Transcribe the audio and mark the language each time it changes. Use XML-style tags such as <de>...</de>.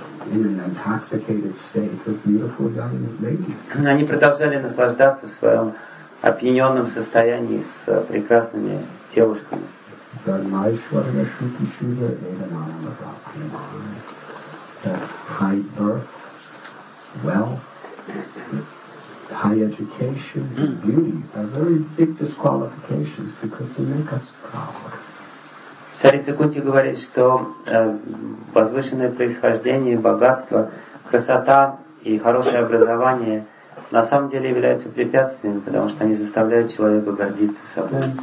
<en>In an intoxicated state with beautiful young ladies.</en> <ru>Они продолжали наслаждаться в своем опьяненном состоянии с прекрасными девушками.</ru> <en>High birth, wealth, high education, beauty are very big disqualifications because they make us proud.</en> <ru>Царица Кунти говорит, что возвышенное происхождение, богатство, красота и хорошее образование на самом деле являются препятствиями, потому что они заставляют человека гордиться собой.</ru>